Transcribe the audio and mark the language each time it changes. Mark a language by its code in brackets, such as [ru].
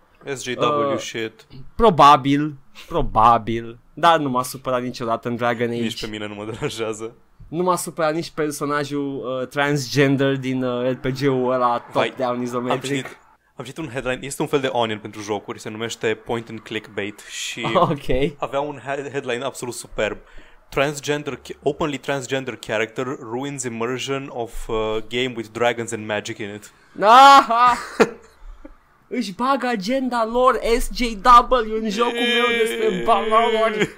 [en] SJW shit. [ro] Probabil. Dar nu m-a supărat niciodată în Dragon Age. Nici pe mine nu mă deranjează. Nu m-a supărat nici personajul transgender din RPG-ul ăla top-down izometric. Am citit un headline, este un fel de Onion pentru jocuri, se numește point and click bait. Și okay. Avea un headline absolut superb: [en] transgender, openly transgender character ruins immersion of game with dragons and magic in it. Aha! [ro] Își bag agenda lor SJW în jocul meu despre Balor.